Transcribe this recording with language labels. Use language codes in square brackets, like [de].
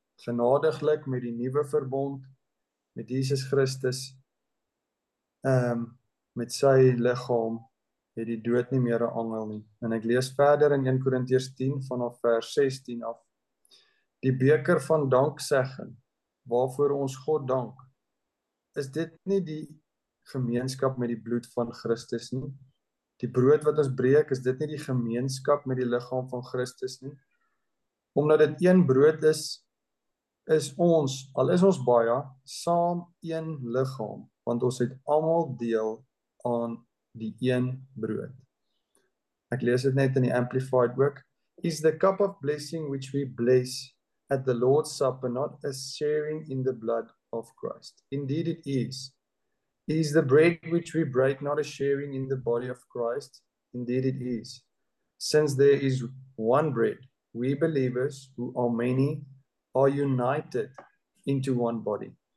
[af] Genadiglik met die nuwe verbond met Jesus Christus met sy liggaam het die dood nie meer 'n angel nie. En ek lees verder in 1 Korintiërs 10 vanaf vers 16 af. Die beker van danksegging, waarvoor ons God dank, is dit nie die gemeenskap met die bloed van Christus nie? Die brood wat ons breek, is dit nie die gemeenskap met die liggaam van Christus nie? Omdat dit een brood is, is ons, al is ons baie, saam een liggaam, want ons het allemaal deel aan die een brood. Ek lees dit net in die Amplified ook. [en] Is the cup of blessing which we bless at the Lord's Supper not a sharing in the blood of Christ? Indeed it is. Is the bread which we break not a sharing in the body of Christ? Indeed it is. Since there is one bread, we believers who are many are united into one body.